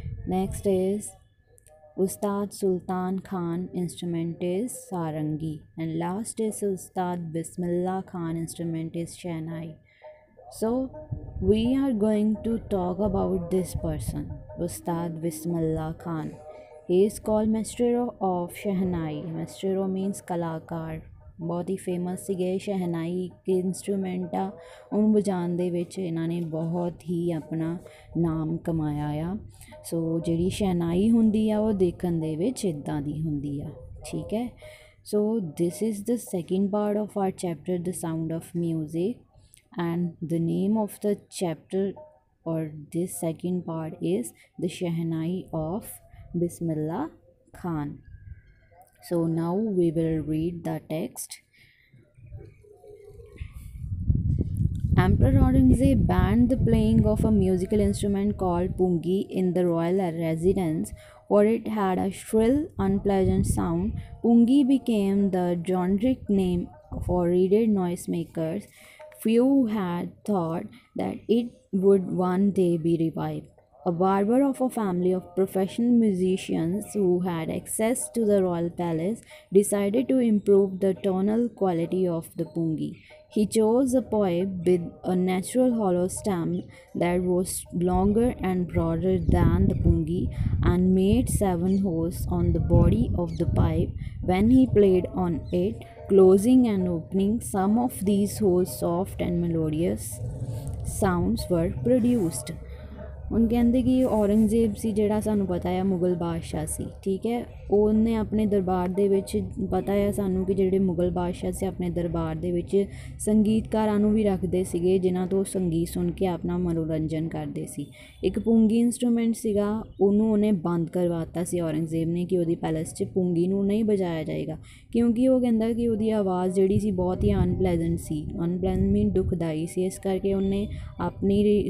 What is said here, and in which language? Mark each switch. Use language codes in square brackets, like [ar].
[en] Next is Ustad Sultan Khan, instrument is sarangi. And last is Ustad Bismillah Khan, instrument is shehnai. So we are going to talk about this person, Ustad Bismillah Khan. He is called Maestro of Shehnai. Maestro means kalakar. [pa] ਬਹੁਤ ਹੀ famous ਸੀਗੇ ਸ਼ਹਿਨਾਈ ਇੱਕ instrument ਆ ਉਹਨੂੰ ਵਜਾਉਣ ਦੇ ਵਿੱਚ ਇਹਨਾਂ ਨੇ ਬਹੁਤ ਹੀ ਆਪਣਾ ਨਾਮ ਕਮਾਇਆ ਆ ਸੋ ਜਿਹੜੀ ਸ਼ਹਿਨਾਈ ਹੁੰਦੀ ਆ ਉਹ ਦੇਖਣ ਦੇ ਵਿੱਚ ਇੱਦਾਂ ਦੀ ਹੁੰਦੀ ਆ ਠੀਕ ਹੈ [en] So this is the second part of our chapter the sound of music and the name of the chapter or this second part is the shehnai of Bismillah Khan So now we will read the text. Emperor Aurangzeb banned the playing of a musical instrument called pungi in the royal residence, for it had a shrill, unpleasant sound. Pungi became the generic name for reeded noisemakers. Few had thought that it would one day be revived. A barber of a family of professional musicians who had access to the royal palace decided to improve the tonal quality of the pungi. He chose a pipe with a natural hollow stem that was longer and broader than the pungi and made 7 holes on the body of the pipe when he played on it, closing and opening some of these holes, soft and melodious sounds were produced. [pa] ਹੁਣ ਕਹਿੰਦੇ ਕਿ ਔਰੰਗਜ਼ੇਬ ਸੀ ਜਿਹੜਾ ਸਾਨੂੰ ਪਤਾ ਆ ਮੁਗਲ ਬਾਦਸ਼ਾਹ ਸੀ ਠੀਕ ਹੈ ਉਹਨੇ ਆਪਣੇ ਦਰਬਾਰ ਦੇ ਵਿੱਚ ਪਤਾ ਆ ਸਾਨੂੰ ਕਿ ਜਿਹੜੇ ਮੁਗਲ ਬਾਦਸ਼ਾਹ ਸੀ ਆਪਣੇ ਦਰਬਾਰ ਦੇ ਵਿੱਚ ਸੰਗੀਤਕਾਰਾਂ ਨੂੰ ਵੀ ਰੱਖਦੇ ਸੀਗੇ ਜਿਨ੍ਹਾਂ ਤੋਂ ਸੰਗੀਤ ਸੁਣ ਕੇ ਆਪਣਾ ਮਨੋਰੰਜਨ ਕਰਦੇ ਸੀ ਇੱਕ ਪੁੰਗੀ ਇੰਸਟਰੂਮੈਂਟ ਸੀਗਾ ਉਹਨੂੰ ਉਹਨੇ ਬੰਦ ਕਰਵਾ ਦਿੱਤਾ ਸੀ ਔਰੰਗਜ਼ੇਬ ਨੇ ਕਿ ਉਹਦੀ ਪੈਲਸ 'ਚ ਪੁੰਗੀ ਨੂੰ ਨਹੀਂ ਵਜਾਇਆ ਜਾਏਗਾ ਕਿਉਂਕਿ ਉਹ ਕਹਿੰਦਾ ਕਿ ਉਹਦੀ ਆਵਾਜ਼ ਜਿਹੜੀ ਸੀ ਬਹੁਤ ਹੀ ਅਨਪਲੈਜੈਂਟ ਸੀ ਅਨਪਲੈਜੈਂਟ ਮੀਨ ਦੁਖਦਾਈ ਸੀ ਇਸ ਕਰਕੇ ਉਹਨੇ ਆਪਣੀ